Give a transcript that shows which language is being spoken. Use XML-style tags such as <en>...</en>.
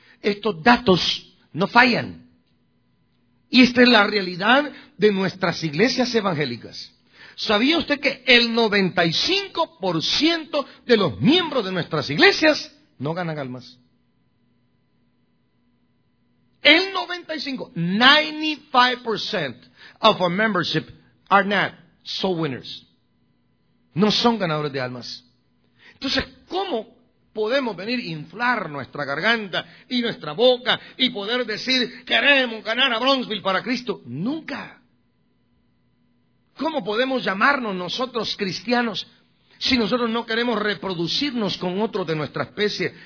<es>Estos datos no fallan. Y esta es la realidad de nuestras iglesias evangélicas. ¿Sabía usted que el 95% de los miembros de nuestras iglesias no ganan almas? El</es> <en>95% of our membership are not soul winners.</en> <es>No son ganadores de almas. Entonces, ¿cómo podemos venir a inflar nuestra garganta y nuestra boca y poder decir, queremos ganar a Bronzeville para Cristo? Nunca. ¿Cómo podemos llamarnos nosotros cristianos si nosotros no queremos reproducirnos con otros de nuestra especie?</es>